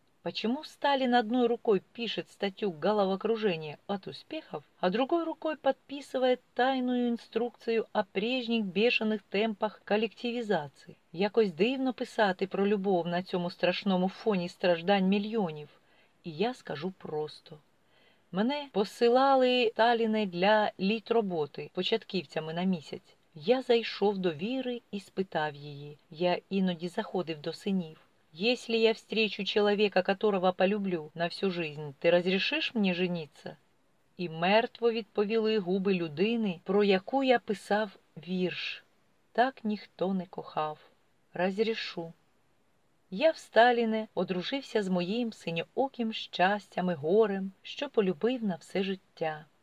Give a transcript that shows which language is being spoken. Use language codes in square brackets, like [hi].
[ru] Почему Сталин одной рукой пишет статью «Головокружение от успехов», а другой рукой подписывает тайную инструкцию о прежних бешеных темпах коллективизации? [uk] Якось дивно писати про любов на цьому страшному фоні страждань мільйонів. І я скажу просто. Мене посилали Сталіни для літроботи початківцями на місяць. Я зайшов до Віри і спитав її. Я іноді заходив до синів. [ru] «Если я встречу человека, которого полюблю на всю жизнь, ты разрешишь мне жениться?» [uk] І мертво відповіли губи людини, про яку я писав вірш. Так ніхто не кохав. [ru] «Разрешу». [uk] Я в Сталіне одружився з моїм синьооким щастям і горем, що полюбив на все життя.